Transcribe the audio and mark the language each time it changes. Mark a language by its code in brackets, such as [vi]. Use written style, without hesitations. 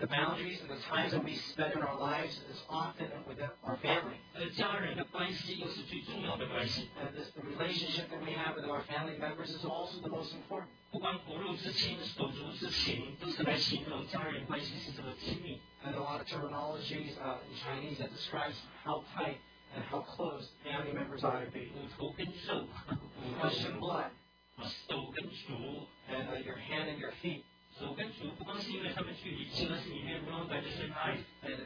[en] the boundaries and the times that we spend in our lives is often with our family. And this, the relationship that we have with our family members is also the most important. [zh] 不管骨肉之亲，手足之情，都是来形容家人关系是这么亲密。And [en] a lot of terminologies in Chinese that describes how tight and how close family members are to be. [zh] 骨头跟肉，骨头 [en] and blood. [zh] 手跟足。And [en] your hand and your feet. [zh] 手跟足不光是因为他们距离近，而是里面 [en] run by the same line。 [zh] And